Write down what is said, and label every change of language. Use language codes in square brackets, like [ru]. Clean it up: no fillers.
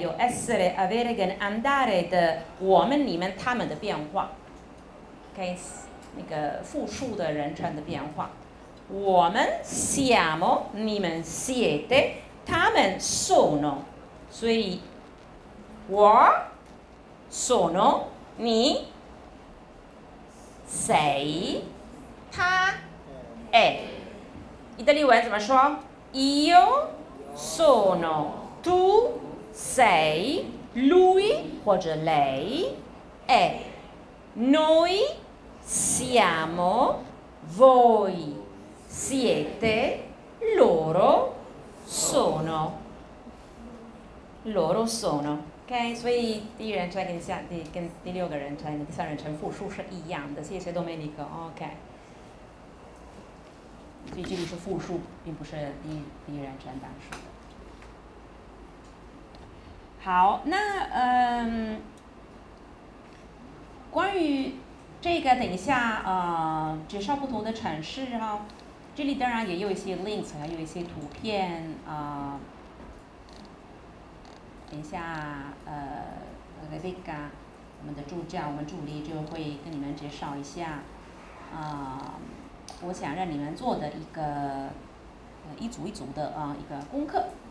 [zh] 有 [it] essere, avere [zh] 跟 [it] andare [zh] 的我们、你们、他们的变化 ，OK， 那个复数的人称的变化。我们 [it] siamo, [zh] 你们 [it] siete, [zh] 他们 [it] sono， [zh] 所以我 sono, 你 [it] sei。 [zh] 他，意大利文怎么说 [it] ？Io sono, tu sei, lui 或者 lei è, noi siamo, voi siete, loro sono, loro sono. [zh] OK， 所以第一人称跟下第跟第六个人称、第三人称复数是一样的。谢谢 Domenico。 [en] OK。 [zh] 所以这里是复数，并不是第一人称单数。好，那关于这个，等一下介绍不同的城市哈、这里当然也有一些 links， 还有一些图片等一下Rebecca 我们的助教，我们助理就会跟你们介绍一下我想让你们做的一个一组一组的一个功课。